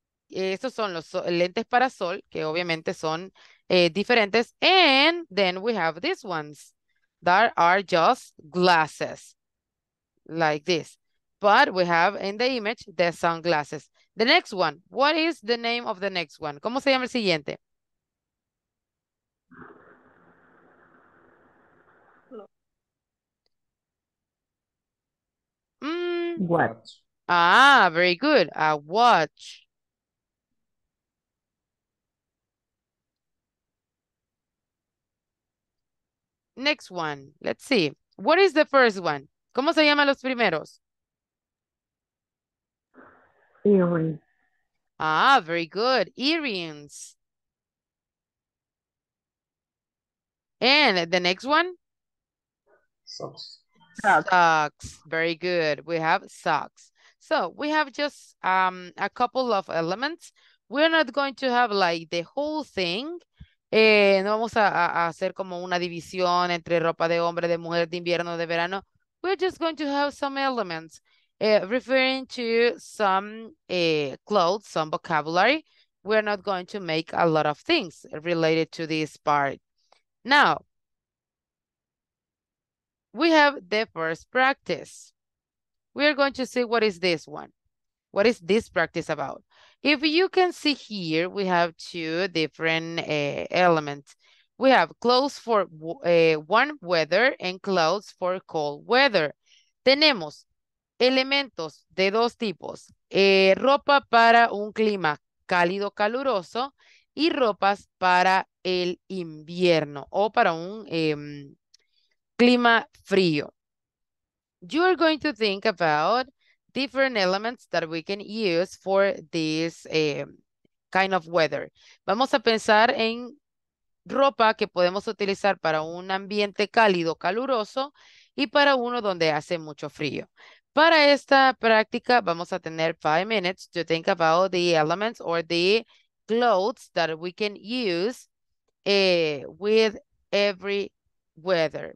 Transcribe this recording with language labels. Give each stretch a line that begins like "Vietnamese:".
Spanish: Estos son los lentes para sol, que obviamente son diferentes.
English: And then we have these ones that are just glasses, like this. But we have in the image the sunglasses. The next one, what is the name of the next one?
Spanish: ¿Cómo se llama el siguiente?
English: Watch. Ah, very good. A watch. Next one. Let's see. What is the first one?
Spanish: ¿Cómo se llaman los primeros?
English: Earrings. Ah, very good. Earrings. And the next one? Socks. Socks. Very good. We have socks. So we have just a couple of elements. We're not going to have like the whole thing.
Spanish: No vamos a hacer como una división entre ropa de hombre, de mujer, de invierno, de verano.
English: We're just going to have some elements referring to some clothes, some vocabulary. We're not going to make a lot of things related to this part. Now, we have the first practice. We are going to see what is this one. What is this practice about? If you can see here, we have two different elements. We have clothes for warm weather and clothes for cold weather.
Spanish: Tenemos elementos de dos tipos. Ropa para un clima cálido, caluroso, y ropas para el invierno o para un clima frío.
English: You are going to think about different elements that we can use for this kind of weather.
Spanish: Vamos a pensar en ropa que podemos utilizar para un ambiente cálido, caluroso, y para uno donde hace mucho frío. Para esta práctica, vamos a tener
English: 5 minutes to think about the elements or the clothes that we can use with every weather.